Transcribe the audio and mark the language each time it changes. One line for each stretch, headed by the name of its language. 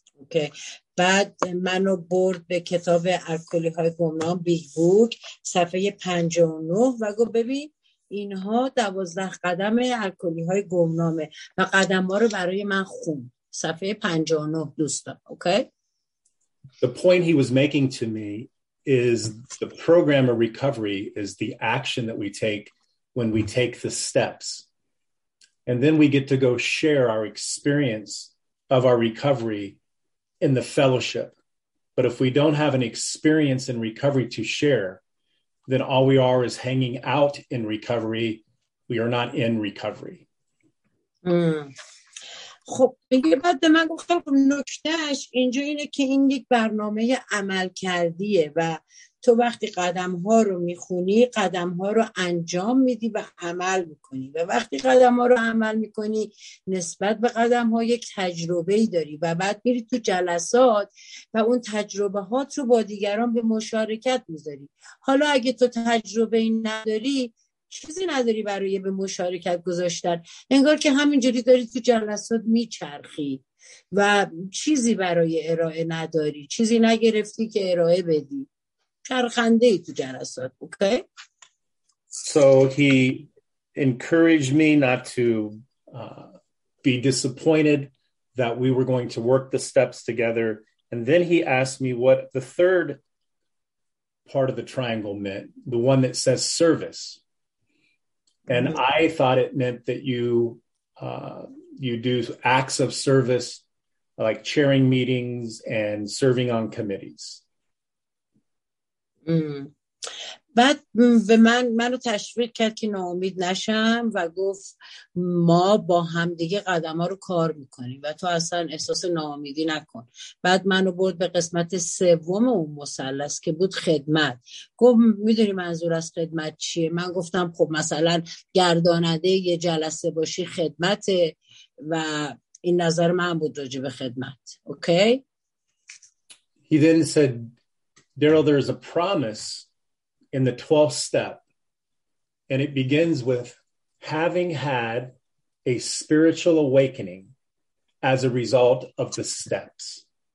Persian: که بعد منو برد به کتاب الکلی های گمنام بیگ بوک صفحه 59 و گفت ببین اینها 12 قدم الکلی های گمنامه و قدم ها رو برای من خون صفحه 59 دوستان.
English: Okay. The point he was making to me is the program of recovery is the action that we take when we take the steps and then we get to go share our experience of our recovery in the fellowship. But if we don't have an experience in recovery to share, then all we are is hanging out in recovery. We are not in recovery.
Persian: خب میگه بعد به من گفت خب نکتهش اینجا اینه که این یک برنامه عمل کردیه و تو وقتی قدم ها رو میخونی قدم ها رو انجام میدی و عمل میکنی و وقتی قدم ها رو عمل میکنی نسبت به قدم ها یک تجربه ای داری و بعد میری تو جلسات و اون تجربه هات رو با دیگران به مشارکت میذاری. حالا اگه تو تجربه ای نداری چیزی نداری برای به مشارکت گذاشتن، انگار که همینجوری داری تو جلسات میچرخی و چیزی برای ارائه نداری، چیزی نگرفتی که ارائه بدی، چرخنده ای تو جلسات.
English: Okay. So he encouraged me not to be disappointed that we were going to work the steps together, and then he asked me what the third part of the triangle meant, the one that says service. And I thought it meant that you do acts of service, like chairing meetings and serving on committees.
Persian: بعد به منو تشویق کرد که ناامید نشم و گفت ما با هم دیگه قدما رو کار میکنیم و تو اصلا احساس ناامیدی نکن. بعد منو برد به قسمت سوم اون مثلث که بود خدمت. گفت میدونی منظور از خدمت چیه؟ من گفتم خب مثلا گرداننده یه جلسه باشی خدمت، و این نظر من بود راجع به خدمت.
English: Okay? He then said, Daryl, there is a promise in the 12th step, and it begins with having had a spiritual awakening as a result of the steps.